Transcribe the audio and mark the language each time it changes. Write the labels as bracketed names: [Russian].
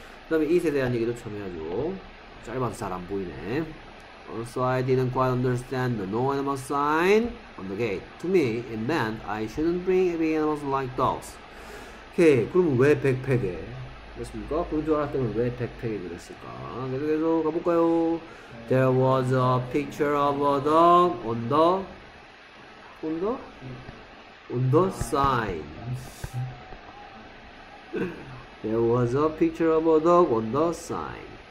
[Korean] 그 다음에 it에 대한 얘기도 처음 해야죠. 짧아서 잘 안 보이네. [English] Also I didn't quite understand the no animal sign on the gate. To me, it meant I shouldn't bring any animals like dogs. Okay, [Korean] 그럼 왜 백팩에? 그렇습니까? 그런 줄 알았다면 왜 백팩이 그랬을까? 계속 가볼까요? [English] There was a picture of a dog on the on the on the sign. There was a picture of a dog on the sign.